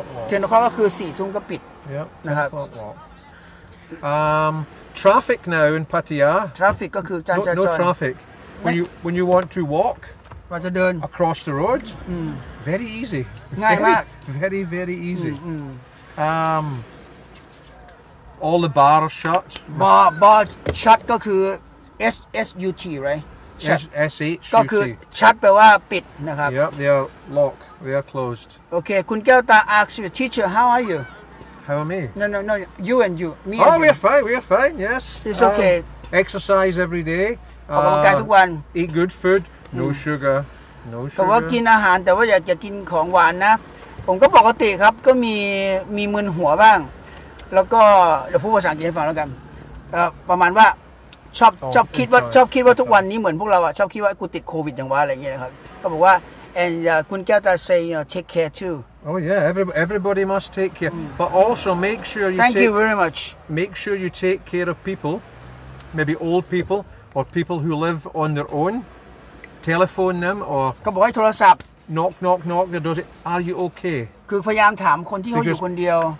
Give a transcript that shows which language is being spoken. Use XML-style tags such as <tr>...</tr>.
<en>10 o'clock</en> <th>ก็คือ4ทุ่มก็ปิดนะครับ</th> <en>traffic now in Pattaya</en> <th>traffic ก็คือจราจร</th> <en>no traffic when you want to walk</en> <th>เราจะเดิน</th> <en>across the road Very easy.</en> <th>ง่ายมาก</th> <en>Very very easy. All the bars shut. Bar shut</en> <th>ก็คือ</th> <en>shut right? shut</en> <th>ก็คือ shut แปลว่าปิดนะครับ</th> <en>Yep, they are locked. They are closed. Okay, คุณแก้วตา ask your teacher how are you? How are me? No. You and you. Me. Oh, we are fine. We are fine. Yes. It's okay. Exercise every day.</en> <th>ออกกำลังกายทุกวัน</th> <en>Eat good food. No sugar.</en> <th>แต่ว่ากินอาหารแต่ว่าอยากกินของหวานนะผมก็ปกติครับก็มีมึนหัวบ้างแล้วก็เดี๋ยวพูดภาษาอังกฤษให้ฟังแล้วกันประมาณว่าชอบคิดว่าทุกวันนี้เหมือนพวกเราอะชอบคิดว่ากูติดโควิดอย่างว่าอะไรเงี้ยนะครับก็บอกว่า</th> <en>and คุณแก้วตา say you know, take care too oh yeah everybody must take care but also make sure you thank you very much make sure you take care of people maybe old people or people who live on their ownTelephone them or</en> <th>ก็บอกให้โทรศัพท์</th> <en>knock knock knock the door are you okay</en> <th>คือพยายามถามคนที่เขาอยู่คนเดียว</th>